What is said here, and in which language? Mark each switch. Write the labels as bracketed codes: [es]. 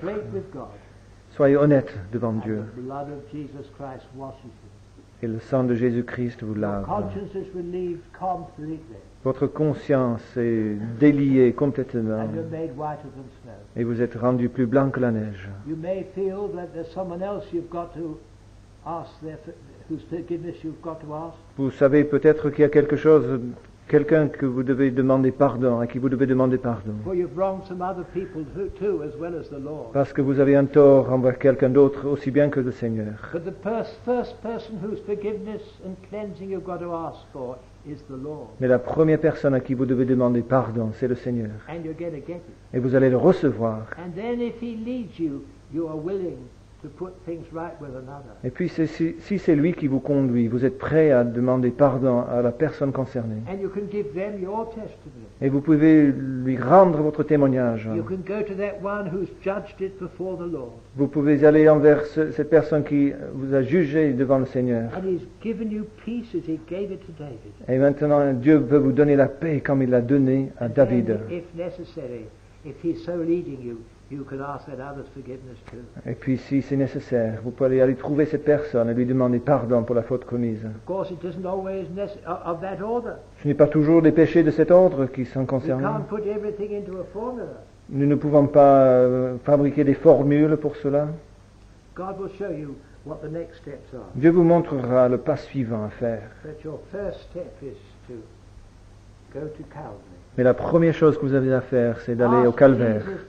[en] Straight with God. [fr] Soyez honnête devant [en] And [fr] Dieu. [en] The blood of Jesus Christ washes you. [fr] Et le sang de Jésus-Christ vous lave. [en] Your conscience is relieved completely. [fr] Votre conscience est déliée complètement. [en] And you're made whiter than snow. [fr] Et vous êtes rendu plus blanc que la neige. [en] You may feel that there's someone else you've got to ask their whose forgiveness you've got to ask. [fr] Vous savez peut-être qu'il y a quelque chose, quelqu'un que vous devez demander pardon, à qui vous devez demander pardon. [en] For you've wronged some other people too, as well as the Lord. [fr] Parce que vous avez un tort envers quelqu'un d'autre aussi bien que le Seigneur. [en] But the first person whose forgiveness and cleansing you've got to ask for is the Lord. [fr] Mais la première personne à qui vous devez demander pardon, c'est le Seigneur. [en] And you're going to get it. [fr] Et vous allez le recevoir. [en] And then if he leads you, you are willing to put things right with another. [fr] Et puis si c'est lui qui vous conduit, vous êtes prêt à demander pardon à la personne concernée. [en] And you can give them your testimony. [fr] Et vous pouvez lui rendre votre témoignage. [en] You can go to that one who's judged it before the Lord. [fr] Vous pouvez aller envers cette personne qui vous a jugé devant le Seigneur. [en] And he's given you peace as he gave it to David. [fr] Et maintenant Dieu peut vous donner la paix comme il l'a donné à David. [en] And if necessary, if he's so leading you, you can ask that other's forgiveness too. [fr] Et puis si c'est nécessaire, vous pouvez aller trouver cette personne et lui demander pardon pour la faute commise. [en] Of course, it isn't always of that order. [fr] Ce n'est pas toujours des péchés de cet ordre qui sont concernés. [en] We can't put everything into a formula. [fr] Nous ne pouvons pas fabriquer des formules pour cela. [en] God will show you what the next steps are. [fr] Dieu vous montrera le pas suivant à faire. [en] But your first step is to go to Calvary. [fr] Mais la première chose que vous avez à faire, c'est d'aller au calvaire.